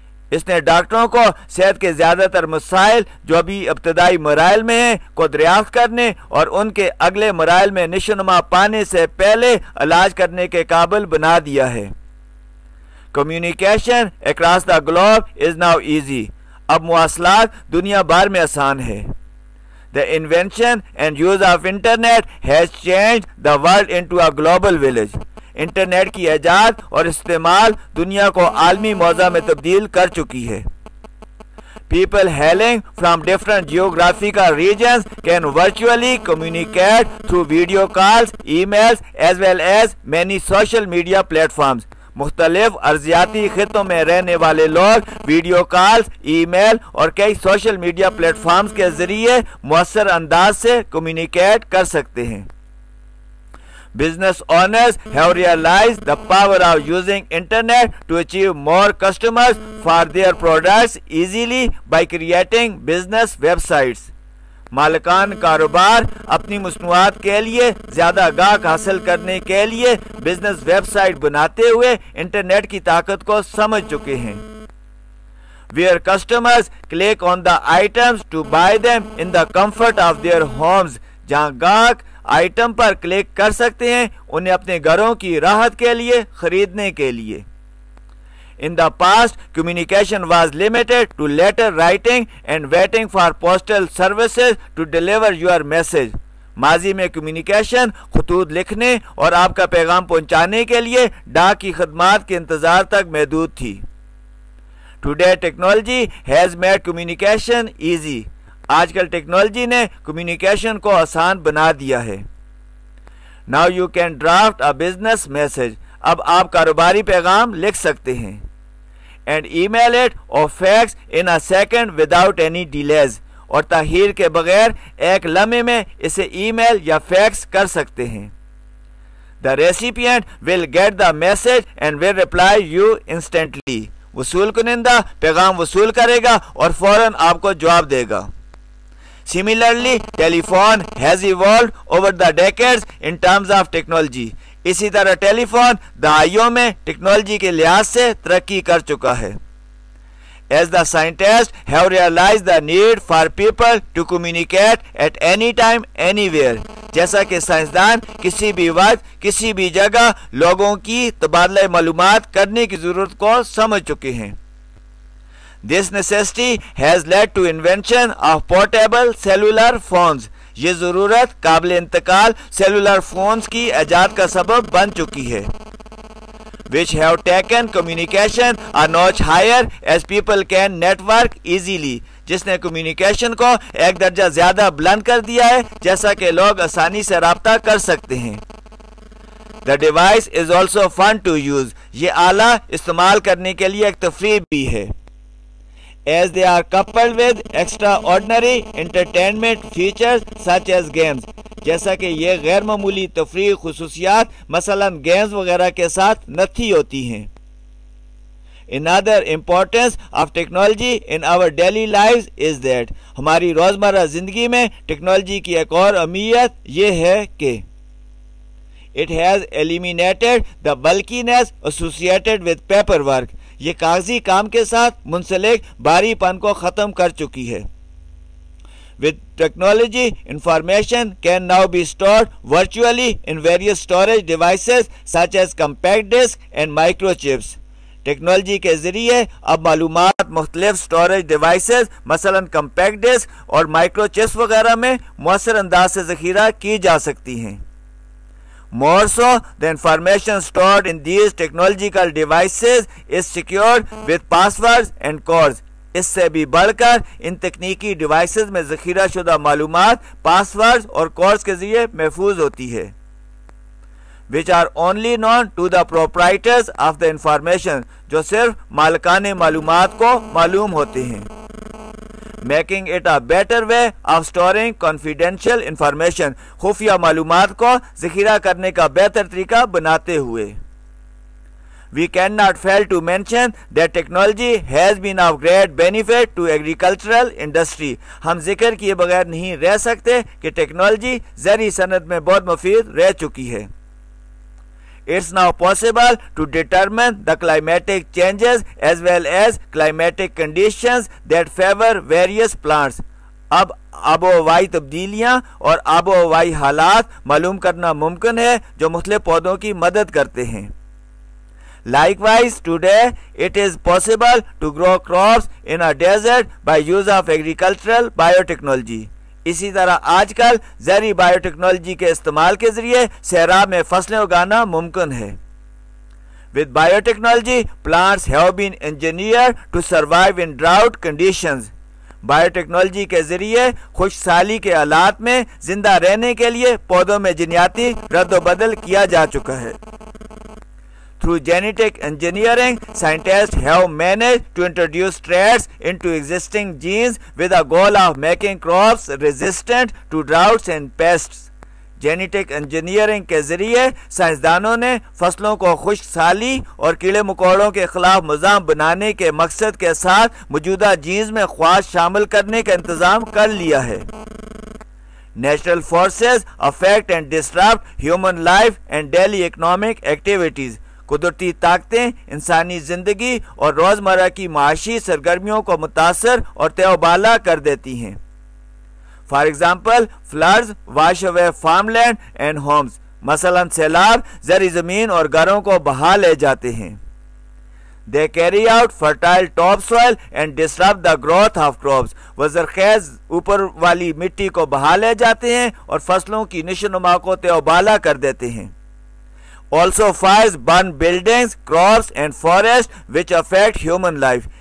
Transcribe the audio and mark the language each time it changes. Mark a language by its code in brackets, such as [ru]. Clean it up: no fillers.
[ur] اس نے ڈاکٹروں کو صحت کے زیادہ تر مسائل جو ابھی ابتدائی مراحل میں ہیں کو دریافت کرنے اور ان کے اگلے مراحل میں نشونما پانے سے پہلے علاج کرنے کے قابل بنا دیا ہے. [en] Communication across the globe is now easy. [ur] اب مواصلات دنیا بھر میں آسان ہے. [en] The invention and use of internet has changed the world into a global village. [ur] Internet کی ایجاد اور استعمال دنیا کو عالمی موضع میں تبدیل کر چکی ہے. [en] People hailing from different geographical regions can virtually communicate through video calls, emails as well as many social media platforms. [ur] مختلف ارضیاتی خطوں میں رہنے والے لوگ ویڈیو کالز, ای میل اور کئی سوشل میڈیا پلیٹ فارمز کے ذریعے مؤثر انداز سے کمیونیکیٹ کر سکتے ہیں. [en] Business owners have realize the power of using internet to achieve more customers for their products easily by creating business websites. [ur] مالکان کاروبار اپنی مصنوعات کے لیے زیادہ گاہک حاصل کرنے کے لیے بزنس ویب سائٹ بناتے ہوئے انٹرنیٹ کی طاقت کو سمجھ چکے ہیں. [en] Where customers click on the items to buy them in the comfort of their homes, [ur] جہاں گاہک آئٹم پر کلک کر سکتے ہیں انہیں اپنے گھروں کی راحت کے لیے خریدنے کے لیے. [en] In the past, communication was limited to letter writing and waiting for postal services to deliver your message. [ur] ماضی میں communication خطوط لکھنے اور آپ کا پیغام پہنچانے کے لیے ڈاک کی خدمات کے انتظار تک محدود تھی. [en] Today, technology has made communication easy. [ur] آج کل ٹیکنالوجی نے communication کو آسان بنا دیا ہے. [en] Now you can draft a business message. [ur] اب آپ کاروباری پیغام لکھ سکتے ہیں. [en] And email it or fax in a second without any delays. [ur] اور تاخیر کے بغیر ایک لمحے میں اسے ای میل یا فیکس کر سکتے ہیں. [en] The recipient will get the message and will reply you instantly. [ur] وصول کنندہ پیغام وصول کرے گا اور فوراً آپ کو جواب دے گا. [en] Similarly, telephone has evolved over the decades in terms of technology. [ur] اسی طرح ٹیلیفون دہائیوں میں ٹیکنالوجی کے لحاظ سے ترقی کر چکا ہے. [en] As the scientists have realized the need for people to communicate at any time, anywhere. [ur] جیسا کہ سائنسدان کسی بھی وقت کسی بھی جگہ لوگوں کی تبادلہ معلومات کرنے کی ضرورت کو سمجھ چکے ہیں. [en] This necessity has led to invention of portable cellular phones. [ur] یہ ضرورت قابل انتقال سیلولر فونز کی ایجاد کا سبب بن چکی ہے. [en] Which have taken communication a notch higher as people can network easily. [ur] جس نے کمیونیکیشن کو ایک درجہ زیادہ بلند کر دیا ہے جیسا کہ لوگ آسانی سے رابطہ کر سکتے ہیں. [en] The device is also fun to use. [ur] یہ آلہ استعمال کرنے کے لیے ایک تفریح بھی ہے. [en] As they are coupled with extraordinary entertainment features such as games. [ur] جیسا کہ یہ غیر معمولی تفریح خصوصیات مثلا گیمز وغیرہ کے ساتھ نتھی ہوتی ہیں. [en] Another importance of technology in our daily lives is that [ur] ہماری روزمرہ زندگی میں ٹیکنالوجی کی ایک اور اہمیت یہ ہے کہ [en] It has eliminated the bulkiness associated with paperwork. [ur] یہ کاغذی کام کے ساتھ منسلک باری پن کو ختم کر چکی ہے. [en] With technology, information can now be stored virtually in various storage devices such as compact disc and microchips. [ur] Technology کے ذریعے اب معلومات مختلف اسٹوریج ڈیوائسز مثلا کمپیکٹ ڈسک اور مائکرو چپس وغیرہ میں مؤثر انداز سے ذخیرہ کی جا سکتی ہیں. [en] More so, the information stored in these technological devices is secured with passwords and codes. [ur] اس سے بھی بڑھ کر ان تکنیکی ڈیوائسز میں ذخیرہ شدہ معلومات پاسورڈز اور کوڈز کے ذریعے محفوظ ہوتی ہے. [en] Which are only known to the proprietors of the information, [ur] جو صرف مالکان معلومات کو معلوم ہوتے ہیں. [en] Making it a better way of storing confidential information, [ur] خفیہ معلومات کو ذخیرہ کرنے کا بہتر طریقہ بناتے ہوئے. [en] We cannot fail to mention that technology has been of great benefit to agricultural industry. [ur] ہم ذکر کیے بغیر نہیں رہ سکتے کہ ٹیکنالوجی زرعی صنعت میں بہت مفید رہ چکی ہے. [en] It's now possible to determine the climatic changes as well as climatic conditions that favor various plants. [ur] اب آب و ہوائی تبدیلیاں اور آب و ہوائی حالات معلوم کرنا ممکن ہے جو مختلف پودوں کی مدد کرتے ہیں. [en] Likewise, today it is possible to grow crops in a desert by use of agricultural biotechnology. [ur] اسی طرح آج کل زرعی بائیو ٹیکنالوجی کے استعمال کے ذریعے صحرا میں فصلیں اگانا ممکن ہے. [en] With biotechnology, plants have been engineered to survive in drought conditions. [ur] Biotechnology کے ذریعے خوش سالی کے حالات میں زندہ رہنے کے لیے پودوں میں جینیاتی رد و بدل کیا جا چکا ہے. [en] Through genetic engineering, scientists have managed to introduce traits into existing genes with a goal of making crops resistant to droughts and pests. [ur] Genetic engineering کے ذریعے سائنسدانوں نے فصلوں کو خشک سالی اور کیڑے مکوڑوں کے خلاف مزاحم بنانے کے مقصد کے ساتھ موجودہ جینز میں خواص شامل کرنے کا انتظام کر لیا ہے. [en] Natural forces affect and disrupt human life and daily economic activities. [ur] قدرتی طاقتیں انسانی زندگی اور روزمرہ کی معاشی سرگرمیوں کو متاثر اور تہ و بالا کر دیتی ہیں. [en] For example floods wash away farm land and homes. [ur] مثلاً سیلاب زرعی زمین اور گھروں کو بہا لے جاتے ہیں. [en] They carry out fertile top soil and disturb the growth of crops. [ur] وہ زرخیز اوپر والی مٹی کو بہا لے جاتے ہیں اور فصلوں کی نشوونما کو تہ و بالا کر دیتے ہیں. [en] Also fires burn buildings, crops and forests which affect human life.